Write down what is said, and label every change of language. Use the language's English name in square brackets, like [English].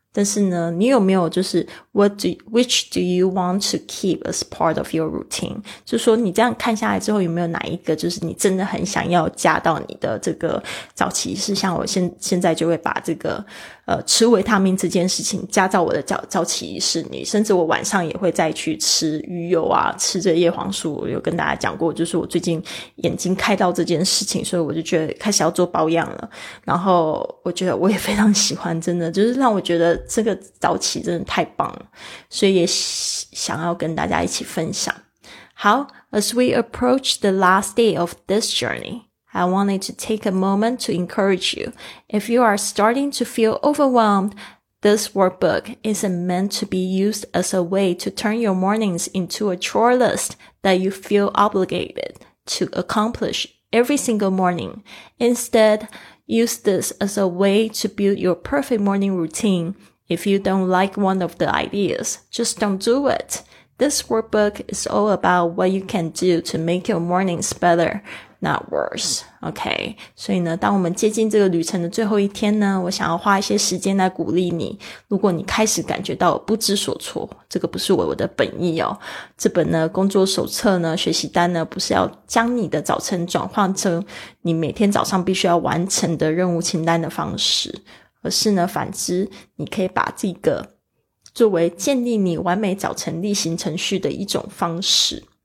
[Chinese] 但是呢，你有没有就是 [English] which do you want to keep as part of your routine? [Chinese] 就说你这样看下来之后，有没有哪一个就是你真的很想要加到你的这个早起仪式？像我现在就会把这个吃维他命这件事情加到我的早起仪式里，甚至我晚上也会再去吃鱼油啊，吃着叶黄素。我有跟大家讲过，就是我最近眼睛开到这件事情，所以我就觉得开始要做保养了。然后我觉得我也非常喜欢，真的就是让我觉得这个早起真的太棒了，所以也想要跟大家一起分享。 [English] 好， as we approach the last day of this journey,I wanted to take a moment to encourage you. If you are starting to feel overwhelmed, this workbook isn't meant to be used as a way to turn your mornings into a chore list that you feel obligated to accomplish every single morning. Instead, use this as a way to build your perfect morning routine. If you don't like one of the ideas, just don't do it. This workbook is all about what you can do to make your mornings better, not worse. Okay. [Chinese] 所以呢，当我们接近这个旅程的最后一天呢，我想要花一些时间来鼓励你。如果你开始感觉到不知所措，这个不是我的本意哦。这本呢，工作手册呢，学习单呢，不是要将你的早晨转换成你每天早上必须要完成的任务清单的方式，而是呢，反之，你可以把这个作为建立你完美早晨例行程序的一种方式。